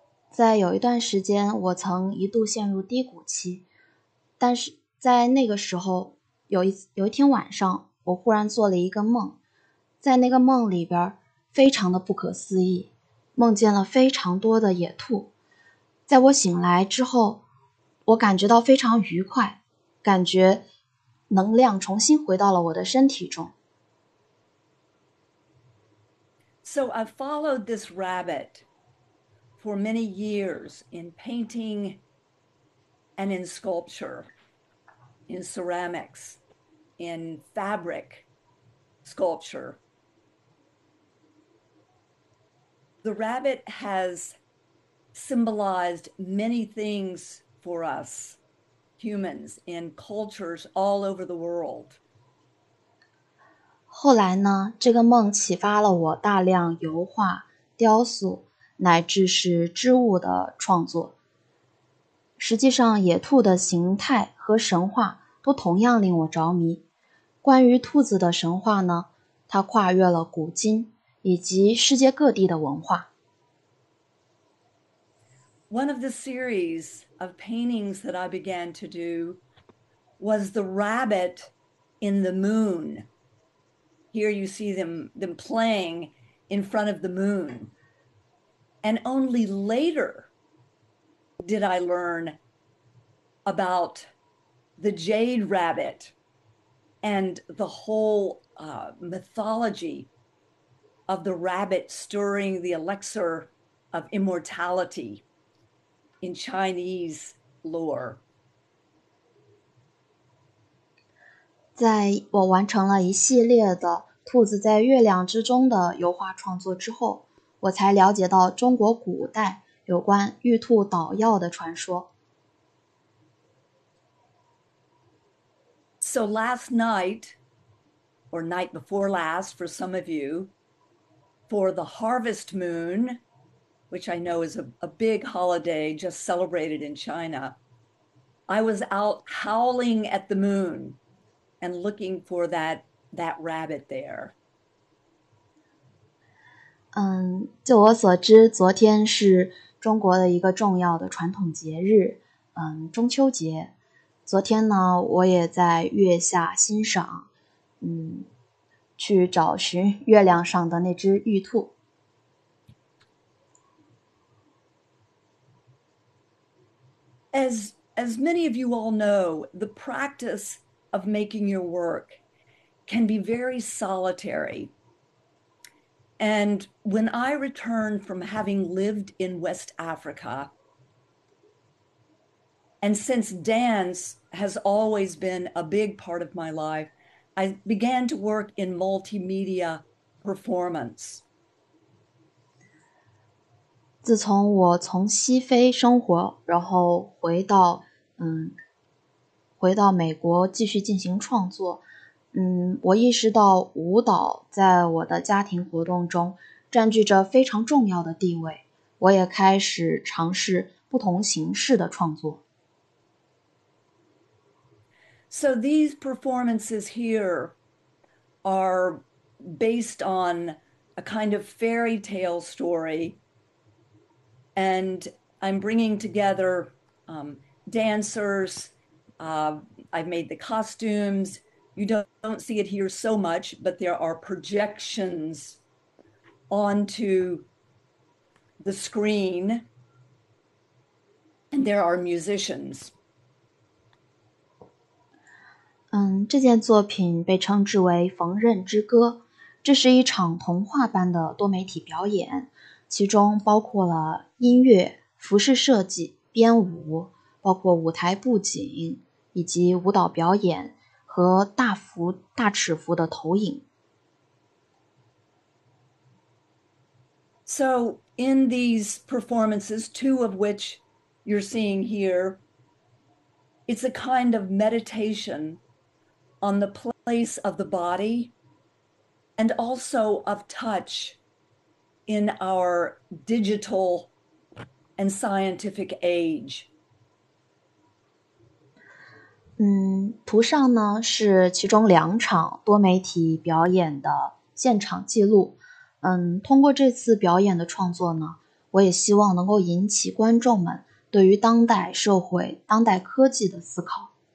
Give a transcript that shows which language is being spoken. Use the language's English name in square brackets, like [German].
[Chinese] 在有一段时间，我曾一度陷入低谷期，但是在那个时候，有一天晚上，我忽然做了一个梦，在那个梦里边，非常的不可思议，梦见了非常多的野兔。在我醒来之后，我感觉到非常愉快，感觉能量重新回到了我的身体中。 [English] So I followed this rabbit for many years in painting and in sculpture, in ceramics, in fabric sculpture. The rabbit has symbolized many things for us humans in cultures all over the world. [Chinese] 后来呢，这个梦启发了我大量油画、雕塑，乃至是织物的创作。实际上，野兔的形态和神话都同样令我着迷。关于兔子的神话呢，它跨越了古今以及世界各地的文化。 [English] One of the series of paintings that I began to do was the rabbit in the moon. Here you see them playing in front of the moon. And only later did I learn about the jade rabbit and the whole mythology of the rabbit stirring the elixir of immortality. In Chinese lore. [Chinese] 在我完成了一系列的兔子在月亮之中的油画创作之后，我才了解到中国古代有关玉兔捣药的传说。 [English] So last night, or night before last, for some of you, for the harvest moon. Which I know is a big holiday just celebrated in China. I was out howling at the moon and looking for that rabbit there. [Chinese] 就我所知，昨天是中国的一个重要的传统节日，中秋节。昨天呢，我也在月下欣赏，去找寻月亮上的那只玉兔。 [English] As many of you all know, the practice of making your work can be very solitary. And when I returned from having lived in West Africa, and since dance has always been a big part of my life, I began to work in multimedia performance. [Chinese] 自从我从西非生活，然后回到美国继续进行创作，我意识到舞蹈在我的家庭活动中占据着非常重要的地位，我也开始尝试不同形式的创作。 [English] So these performances here are based on a kind of fairy tale story, and I'm bringing together dancers. I've made the costumes. You don't see it here so much, but there are projections onto the screen, and there are musicians. [Chinese] 这件作品被称之为《缝纫之歌》，这是一场童话般的多媒体表演，其中包括了音乐、服饰设计、编舞，包括舞台布景以及舞蹈表演和大尺幅的投影。 [English] So in these performances, two of which you're seeing here, it's a kind of meditation on the place of the body and also of touch in our digital and scientific age. [Chinese] 图上呢是其中两场多媒体表演的现场记录。通过这次表演的创作呢，我也希望能够引起观众们对于当代社会、当代科技的思考。